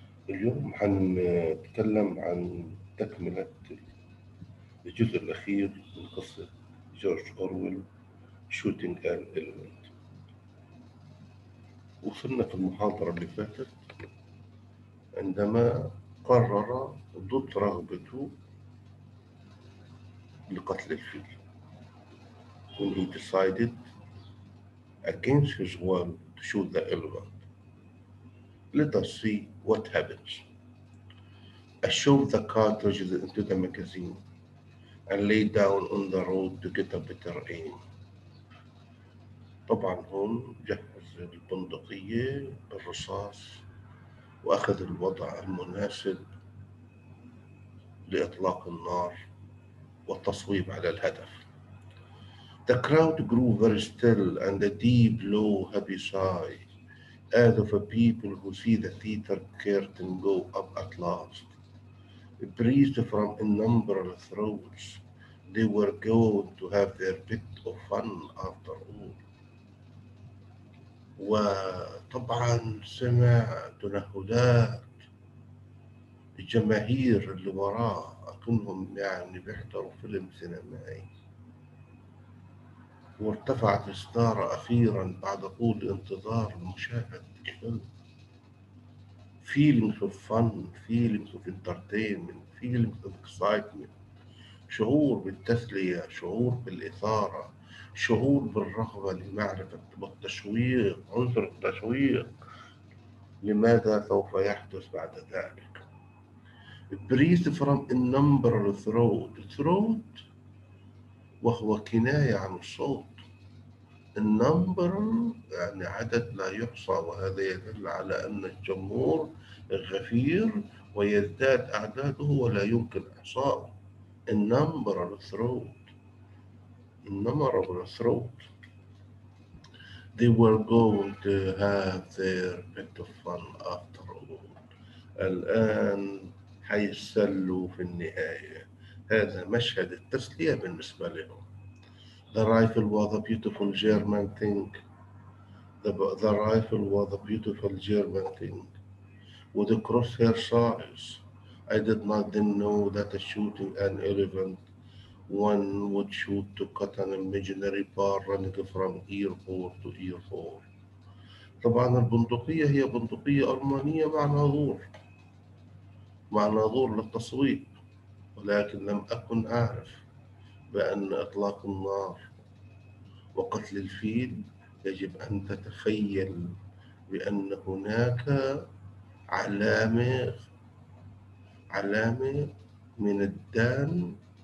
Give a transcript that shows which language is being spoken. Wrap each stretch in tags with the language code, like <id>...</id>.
<ar>اليوم هنتكلم عن تكملة الجزء الأخير من قصة جورج أورويل شوتينج آن إليفنت. وصلنا في المحاضرة اللي فاتت عندما قرر ضد رغبته لقتل الفيل.</ar> <en>When he decided against his will to shoot the elephant. Let us see what happens. I shoved the cartridges into the magazine and lay down on the road to get a better aim.</en> <ar>طبعا هون جهز البندقية بالرصاص وأخذ الوضع المناسب لإطلاق النار والتصويب على الهدف.</ar> <en>The crowd grew very still and a deep, low, heavy sigh. As of a people who see the theater curtain go up at last. It breathed from innumerable throats. They were going to have their bit of fun after all.</en> <ar>وطبعا سمع تنهدات الجماهير اللي وراه أكنهم يعني بيحضروا فيلم سينمائي. وارتفعت إصدار أخيرا بعد طول انتظار مشاهدة الفيلم.</ar> <en>Feelings of fun, feelings of entertainment, feelings of excitement.</en> <ar>شعور بالتسلية, شعور بالإثارة, شعور بالرغبة لمعرفة والتشويق, عنصر التشويق. لماذا سوف يحدث بعد ذلك؟</ar> <en>Breathe from a number of throat.</en> <ar>Throat وهو كناية عن الصوت. النمبر يعني عدد لا يحصى, وهذا يدل على أن الجمهور غفير ويزداد أعداده ولا يمكن إحصاؤه. النمبر الثروت, النمبر الثروت.</ar> <en>They were going to have their bit of fun after all.</en> <ar>الآن حيسلوا في النهاية. هذا مشهد التسلية بالنسبة لهم.</ar> <en>The rifle was a beautiful German thing. The rifle was a beautiful German thing. With a crosshair size, I did not then know that a shooting an elephant, one would shoot to cut an imaginary bar running from ear hole to ear hole.</en> <ar>طبعا البندقية هي بندقية ألمانية مع ناظور, مع ناظور للتصويب, ولكن لم أكن أعرف بأن إطلاق النار وقتل الفيل يجب أن تتخيل بأن هناك علامة من الدم,</ar>